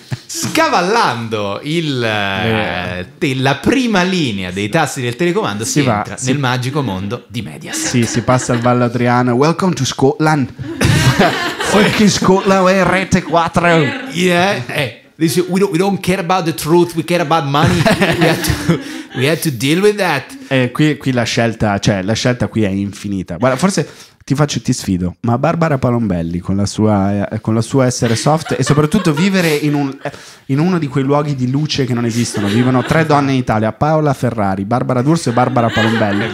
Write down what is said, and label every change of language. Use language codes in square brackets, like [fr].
[it] Scavallando la prima linea dei tasti del telecomando, si va, entra nel magico mondo di Mediaset. Sì, si passa al Vallo Adriano. [en] Welcome to Scotland. Fucking Scotland, [it] è rete 4. [en] Yeah, listen, we don't care about the truth, we care about money. We had to deal with that. [it] Qui la scelta, cioè la scelta qui è infinita. Guarda, forse ti sfido, ma Barbara Palombelli con la sua essere soft e soprattutto vivere in uno di quei luoghi di luce che non esistono, vivono tre donne in Italia: Paola Ferrari, Barbara D'Urso e Barbara Palombelli,